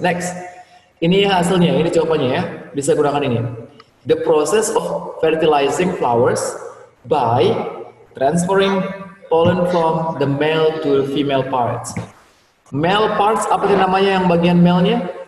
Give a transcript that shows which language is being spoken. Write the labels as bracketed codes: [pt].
[id] Next, ini hasilnya, ini jawabannya ya. Bisa gunakan ini. [en] The process of fertilizing flowers by transferring pollen from the male to female parts. [id] Male parts apa sih namanya yang bagian male-nya?